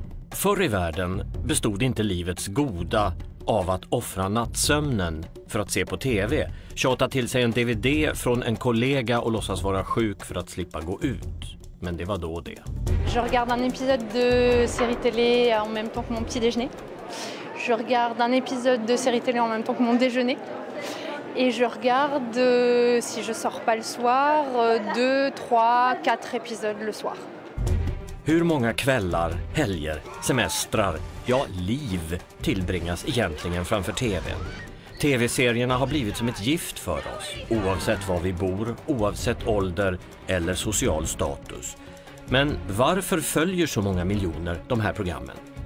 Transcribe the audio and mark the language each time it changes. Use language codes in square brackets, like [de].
[sv] Förr i världen bestod inte livets goda av att offra nattsömnen för att se på tv, tjata till sig en DVD från en kollega och låtsas vara sjuk för att slippa gå ut. Men det var då det. [fr] Je regarde un épisode de série télé en même temps que mon petit déjeuner. Je regarde un épisode de série télé en même temps que mon déjeuner. Et je regarde, si je sors pas le soir, 2, 3, 4 épisodes le soir. [sv] Hur många kvällar, helger, semestrar, ja, liv tillbringas egentligen framför tvn? TV-serierna har blivit som ett gift för oss, oavsett var vi bor, oavsett ålder eller social status. Men varför följer så många miljoner de här programmen?